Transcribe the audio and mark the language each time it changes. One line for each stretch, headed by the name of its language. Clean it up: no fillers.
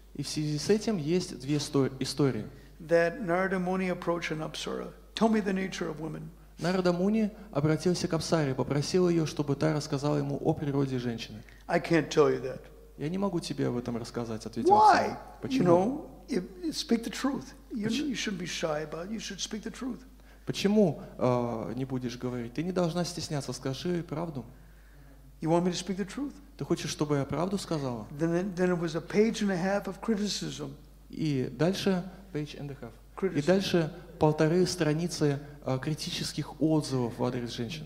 Russian: И в связи с этим есть две истории.
English: That Narada Muni approached an apsara. Tell me the nature of women.
Russian: Narada Muni обратился к апсаре, попросил ее, чтобы та рассказала ему о природе женщины.
English: I can't tell you that.
Russian: Я не могу тебе об этом рассказать, ответил апсара.
English: Why?
Russian: Почему?
English: You know, speak the truth. You shouldn't be shy about it. You should speak the truth.
Russian: Почему не будешь говорить? Ты не должна стесняться. Скажи правду.
English: You want me to speak the truth?
Russian: Ты хочешь, чтобы я правду сказала?
English: Then it was a page and a half of criticism.
Russian: И дальше
English: page and a half.
Russian: И дальше полторы страницы критических отзывов в адрес женщин.